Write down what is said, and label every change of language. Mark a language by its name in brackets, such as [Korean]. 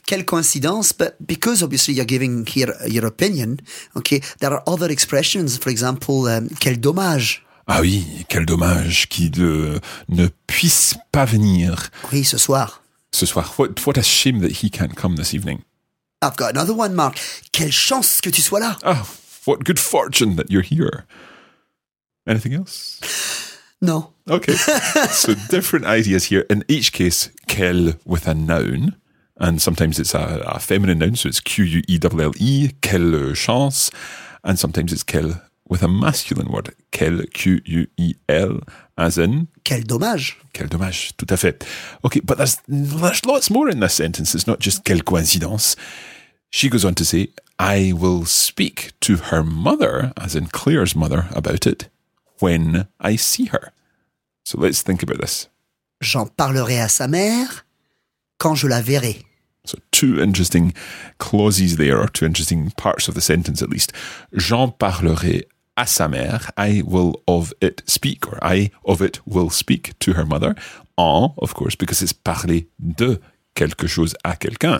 [English] quelle coïncidence, but because obviously you're giving here your opinion, okay, there are other expressions, for example, quel dommage. [French] Ah oui, quel dommage qu'il ne puisse pas venir. Oui, ce soir. Ce soir. [English] What a shame that he can't come this evening. I've got another one, Marc. [French] Quelle chance que tu sois là. [English] Oh, what good fortune that you're here. Anything else? No. Okay. So different ideas here. In each case, quelle with a noun. And sometimes it's a feminine noun, so it's Q-U-E-L-L-E, quelle chance. And sometimes it's quelle with a masculine word, quelle, Q-U-E-L, as in... [French] Quel dommage. Quel dommage, tout à fait. [English] Okay, but there's lots more in this sentence. It's not just quelle coïncidence. She goes on to say, I will speak to her mother, as in Claire's mother, about it, when I see her. So let's think about this. [French] J'en parlerai à sa mère quand je la verrai. [English] So two interesting clauses there, or two interesting parts of the sentence at least. [French] J'en parlerai à sa mère. [English] I will of it speak, or I of it will speak to her mother. En, of course, because it's [French] parler de quelque chose à quelqu'un.